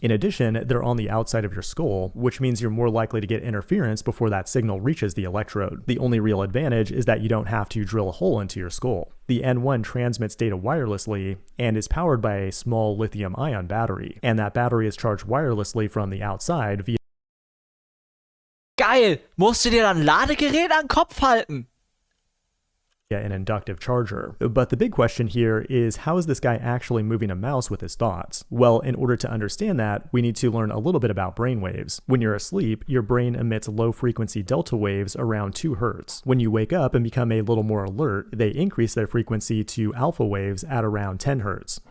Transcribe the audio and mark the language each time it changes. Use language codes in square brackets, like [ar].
[en] In addition, they're on the outside of your skull, which means you're more likely to get interference before that signal reaches the electrode. The only real advantage is that you don't have to drill a hole into your skull. The N1 transmits data wirelessly and is powered by a small lithium-ion battery. And that battery is charged wirelessly from the outside via... [de] Geil! Musst du dir dann Ladegerät an den Kopf halten? [en] ...via an inductive charger. But the big question here is, how is this guy actually moving a mouse with his thoughts? Well, in order to understand that, we need to learn a little bit about brainwaves. When you're asleep, your brain emits low-frequency delta waves around 2 hertz. When you wake up and become a little more alert, they increase their frequency to alpha waves at around 10 hertz.